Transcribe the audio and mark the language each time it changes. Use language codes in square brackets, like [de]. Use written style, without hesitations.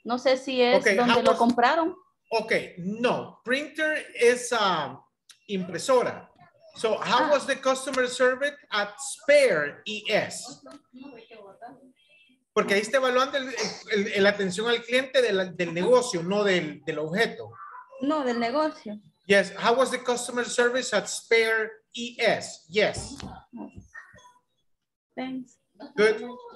[es] No sé si es okay, donde lo compraron. [en] Okay, no. Printer is impresora. So how was the customer service at Spear ES? [es] Porque ahí está evaluando el atención al cliente del negocio, no del objeto. No, del negocio. [en] Yes, how was the customer service at Spear ES? Yes. Thanks. Good.